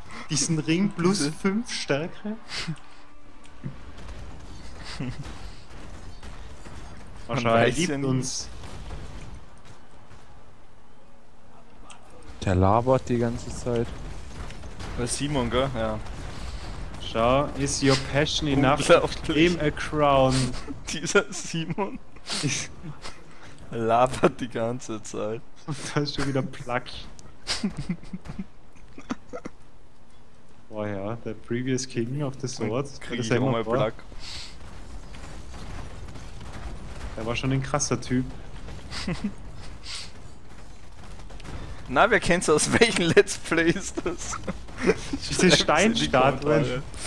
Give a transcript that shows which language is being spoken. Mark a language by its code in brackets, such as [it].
[de] Diesen Ring plus 5 Stärke. Wahrscheinlich liebt uns. Der labert die ganze Zeit. Bei Simon, gell? Ja. [en] Schau, is your passion enough to claim a crown? [de] Dieser Simon labert die ganze Zeit. Und da ist schon wieder Plack. Boah ja, der Previous King of the Swords. Krieg ich auch mal Plack. Der war schon ein krasser Typ. Na, wer kennt's aus welchen Let's Play ist das? Diese Steinstatue.